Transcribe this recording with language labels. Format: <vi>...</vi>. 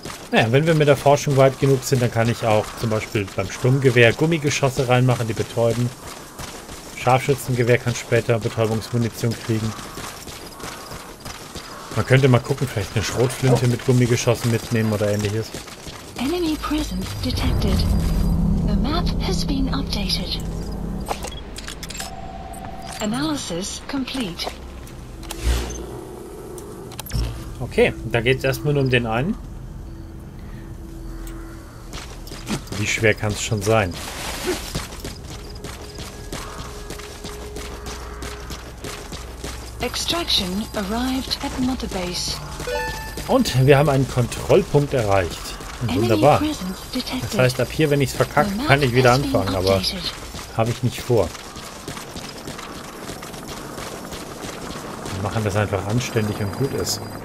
<de>Naja, wenn wir mit der Forschung weit genug sind, dann kann ich auch zum Beispiel beim Sturmgewehr Gummigeschosse reinmachen, die betäuben. Scharfschützengewehr kann später Betäubungsmunition kriegen. Man könnte mal gucken, vielleicht eine Schrotflinte mit Gummigeschossen mitnehmen oder ähnliches.</de> <en>Enemy presence detected. The map has been updated. Analysis complete.</en> <de>Okay, da geht es erstmal nur um den einen. Wie schwer kann es schon sein?</de> <en>Extraction arrived at Mother Base.</en> <de>Und wir haben einen Kontrollpunkt erreicht. Wunderbar. Das heißt, ab hier, wenn ich es verkacke, kann ich wieder anfangen, aber habe ich nicht vor. machen, das einfach anständig und gut ist.</de>